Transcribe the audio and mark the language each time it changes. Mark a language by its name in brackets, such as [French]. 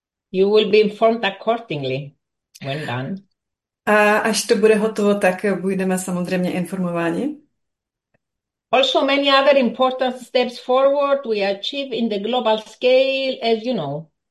[English] You will be informed accordingly when done. [Czech] A až to bude hotovo, tak budeme samozřejmě informováni. [English] Also many other important steps forward we achieve in the global scale, as you know.